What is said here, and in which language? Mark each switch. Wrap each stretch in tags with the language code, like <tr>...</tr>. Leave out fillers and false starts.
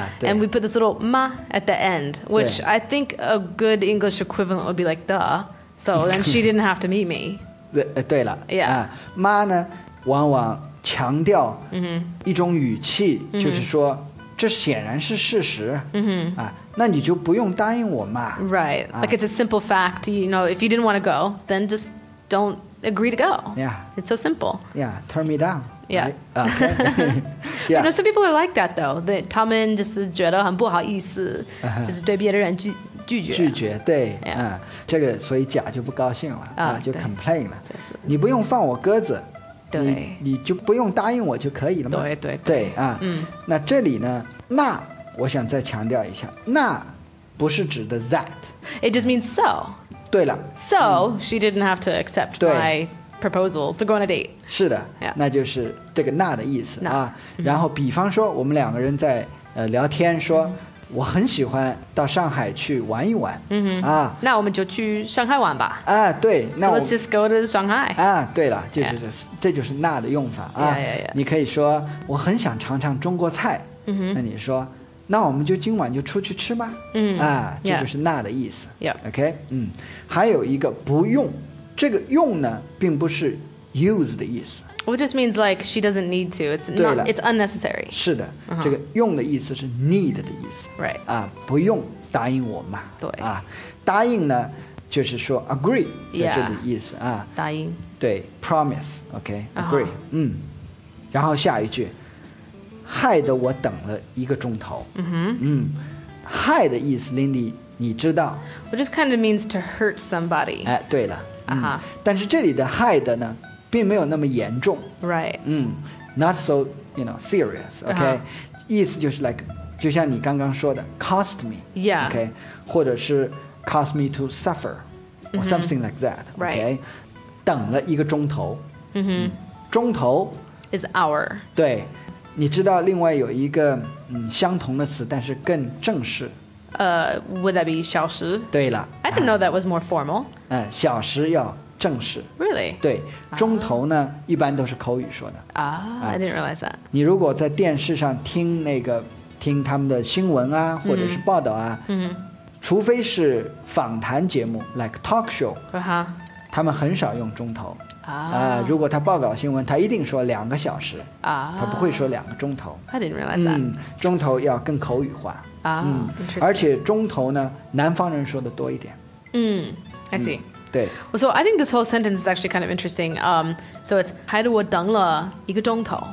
<en>And we put this little ma at the end, which I think a good English equivalent would be like, duh. So then she didn't have to meet me.</en> <zh>对了。</zh> <en>Yeah.</en> <zh>妈呢往往强调一种语气就是说这显然是事实。那你就不用答应我嘛。</zh> <en>Right. Like it's a simple fact. You know, if you didn't want to go, then just don't. Agree to go. Yeah. It's so simple. Yeah, turn me down. Yeah. Right? Okay. Yeah. You know, some people are like that though.</en> <zh>That 他们就是觉得很不好意思，就是对别的人拒绝。拒绝，对。</zh> <en>Yeah.</en> <zh>这个所以甲就不高兴了，就 complain 了。就是。你不用放我鸽子。对。你就不用答应我就可以了嘛。对对对。对啊。那这里呢？那我想再强调一下，那不是指的 that。</zh> <en>It just means so.</en> <zh>对了</zh> <en>So, she didn't have to accept my proposal to go on a date.</en> <zh>是的、</zh> <en>yeah.</en> <zh>那就是这个那的意思、 nah. 啊、然后比方说我们两个人在、聊天说、我很喜欢到上海去玩一玩、啊、那我们就去上海玩吧、啊、对那</zh> <en>So let's just go to Shanghai.、</en> <zh>啊、对了、就是</zh> <en>yeah.</en> <zh>这就是那的用法、啊</zh> <en>yeah, yeah, yeah.</en> <zh>你可以说我很想尝尝中国菜、那你说那我们就今晚就出去吃吗、这就是那的意思、</zh> <en>yeah. okay?</en> <zh>还有一个不用这个用呢并不是 use 的意思</zh> <en>Which just means like she doesn't need to it's, not, it's unnecessary</en> <zh>是的、uh-huh. 这个用的意思是 need 的意思、</zh> <en>right.</en> <zh>不用答应我嘛对、答应呢就是说 agree 在这里的意思、</zh> <en>yeah. 答应</en> <zh>对 promise okay? agree、uh-huh. 然后下一句害得我等了一个钟头。 Mm-hmm. 害的意思 Lindy 你知道</zh> <en>Which just kind of means to hurt somebody</en> <zh>哎，对了、 uh-huh. 但是这里的害的呢并没有那么严重</zh> <en>Right、 Not so you know, serious OK、uh-huh. 意思就是 like</en> <zh>就像你刚刚说的</zh> <en>Cost me Yeah OK</en> <zh>或者是</zh> <en>Cost me to suffer Or something like that Right、</en> <zh>okay? 等了一个钟头、 mm-hmm. 钟头</zh> <en>Is hour</en> <zh>对你知道另外有一个、相同的词但是更正式、</zh> <en>Would that be 小时</en> <zh>对了</zh> <en>I didn't know that was more formal、</en> <zh>小时要正式</zh> <en>Really?</en> <zh>对钟头呢、一般都是口语说的、</zh> <en>I didn't realize that</en> <zh>你如果在电视上听那个听他们的新闻啊或者是报道啊、除非是访谈节目 like talk show、他们很少用钟头如果他报告新闻他一定说两个小时、他不会说两个钟头</zh> <en>I didn't realize that、</en> <zh>钟头要更口语化、</zh> <en>interesting.</en> <zh>而且钟头呢南方人说的多一点、</zh> <en>I see、</en> <zh>对</zh> <en>well, So I think this whole sentence is actually kind of interesting、So it's</en> <zh>害得我等了一个钟头</zh>